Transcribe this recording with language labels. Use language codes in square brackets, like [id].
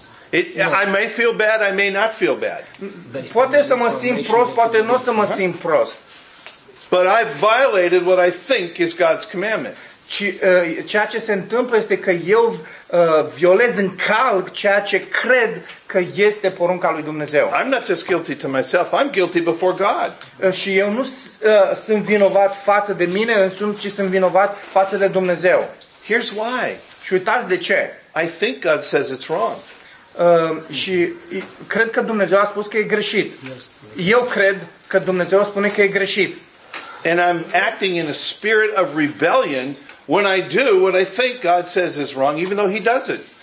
[en] I may feel bad, I may not feel bad. [ro] Poate să mă simt prost, poate nu să mă simt prost. [en] But I've violated what I think is God's commandment. [ro] Ceea ce se întâmplă este că eu violez, încalc ceea ce cred că este porunca lui Dumnezeu. [en] I'm not just guilty to myself, I'm guilty before God. [ro] Și eu nu sunt vinovat față de mine însumi, ci sunt vinovat față de Dumnezeu. [en] Here's why. [ro] Și uitați de ce. [en] I think God says it's wrong. [ro] Și cred că Dumnezeu a spus că e greșit. Eu cred că Dumnezeu spune că e greșit. [en] And I'm acting in a spirit of rebellion when I do what I think God says is wrong, even though He does it.